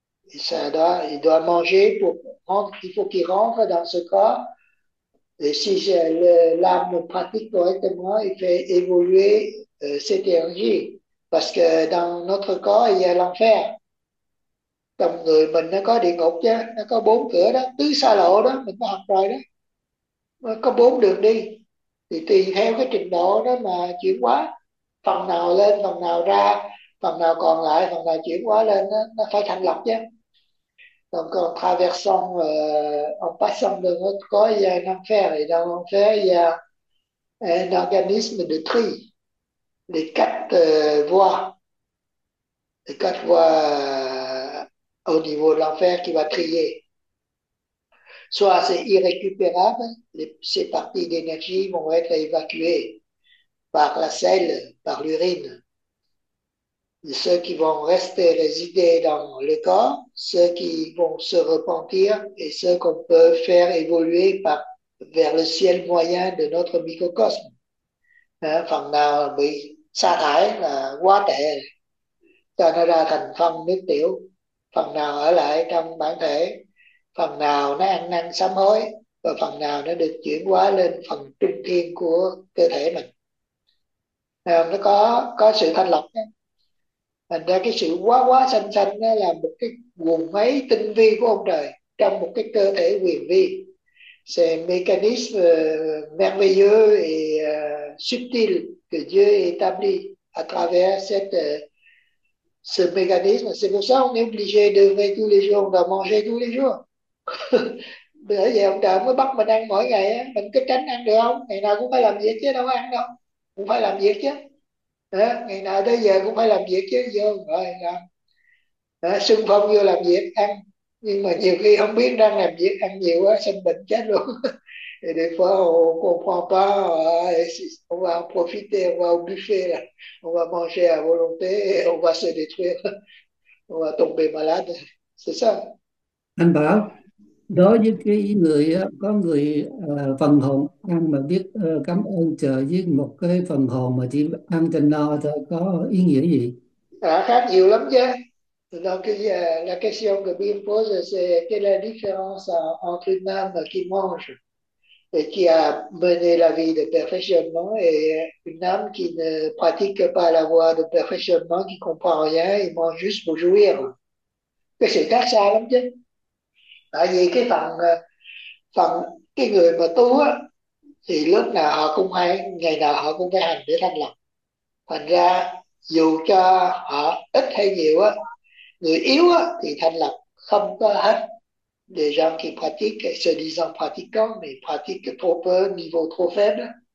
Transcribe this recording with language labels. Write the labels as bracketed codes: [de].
[fr] Il doit manger pour rentrer, il faut qu'il rentre dans ce corps. Et si l'âme pratique correctement, il fait évoluer cette énergie. Parce que dans notre corps, il y a l'enfer. [vi] Comme người mình nó có địa ngục chứ, nó có bốn cửa đó, tứ xa lộ đó, mình có học rồi đó. Nó có bốn đường đi. Thì tùy theo cái trình độ đó mà chuyển hóa, phần nào lên, phần nào ra, phần nào còn lại, phần nào chuyển hóa lên, nó phải thành lập chứ. [fr] Donc, en traversant, en passant de notre corps, il y a un enfer. Et dans l'enfer, il y a un organisme de tri. Les quatre voies. Les quatre voies au niveau de l'enfer qui va trier. Soit c'est irrécupérable, ces parties d'énergie vont être évacuées par la selle, par l'urine. Ceux qui vont rester résider dans le corps, ceux qui vont se repentir et ceux qu'on peut faire évoluer par, vers le ciel moyen de notre microcosme. [vi] Hein, phần nào bị sa thải là quá tệ, cho nó ra thành phân nước tiểu. Phần nào ở lại trong bản thể, phần nào nó ăn năn sám hối và phần nào nó được chuyển hóa lên phần trung thiên của cơ thể mình. Nó có sự thanh lọc. Thành ra cái sự quá quá xanh xanh nó là một cái guồng máy tinh vi của ông trời trong một cái cơ thể huyền vi. [fr] C'est un mécanisme merveilleux et subtil que Dieu établit à travers ce mécanisme. C'est pour ça qu'on est obligé d'œuvrer tous les jours, de manger tous les jours. [vi] Bởi vậy ông trời mới bắt mình ăn mỗi ngày. Mình cứ tránh ăn được không? Ngày nào cũng phải làm việc chứ đâu có ăn đâu. Cũng phải làm việc chứ. Đó, ngày nào tới giờ cũng phải làm việc chứ vô rồi là xung phong vô làm việc ăn, nhưng mà nhiều khi không biết đang làm việc ăn nhiều quá sinh bệnh chết luôn thì để [fr] on va profiter, on va au buffet, on va manger à volonté, on va se détruire, on va tomber malade, c'est ça. [vi] Anh bảo đối với cái người có người phần hồn ăn mà biết cảm ơn trời, với một cái phần hồn mà chỉ ăn cho no thôi có ý nghĩa gì? À, khác nhiều lắm chứ. [fr] Donc la question que Bill pose, c'est quelle est la différence entre une âme qui mange et qui a mené la vie de perfectionnement et une âme qui ne pratique pas la voie de perfectionnement, qui comprend rien et mange juste pour jouir. Que c'est [vi] khác xa lắm chứ. Tại vì cái phần phần cái người mà tu thì lúc nào họ cũng hay, ngày nào họ cũng phải hành để thanh lọc. Thành ra dù cho họ ít hay nhiều á, người yếu á thì thanh lọc không có hết. [fr] Des gens qui pratiquent, se disant pratiquants, mais pratiquent trop peu, niveau trop faible.